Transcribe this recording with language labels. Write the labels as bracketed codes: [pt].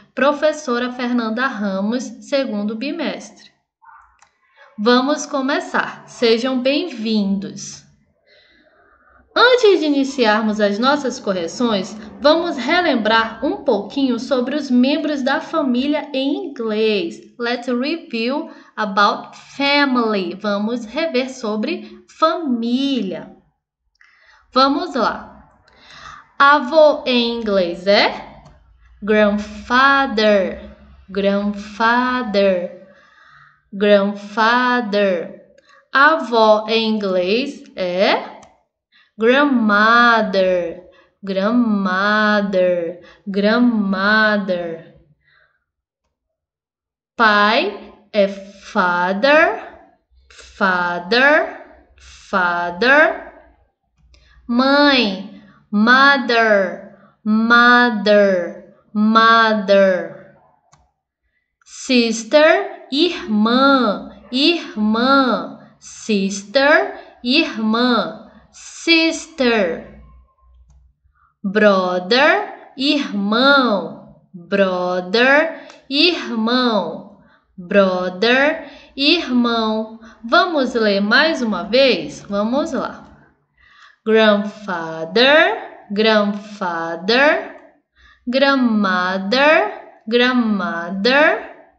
[pt] Professora Fernanda Ramos, segundo bimestre. Vamos começar. Sejam bem-vindos. Antes de iniciarmos as nossas correções, vamos relembrar um pouquinho sobre os membros da família em inglês. [en] Let's review about family. [pt] Vamos rever sobre família. Vamos lá. Avô em inglês é? [en] Grandfather, grandfather, grandfather. [pt] Avó em inglês é [en] grandmother, grandmother, grandmother. [pt] Pai é [en] father, father, father. [pt] Mãe, [en] mother, mother. Mother, sister, [pt] irmã, irmã, [en] sister, [pt] irmã, [en] sister, brother, [pt] irmão, [en] brother, [pt] irmão, [en] brother, [pt] irmão. Vamos ler mais uma vez? Vamos lá. [en] Grandfather, grandfather. Grandmother, grandmother.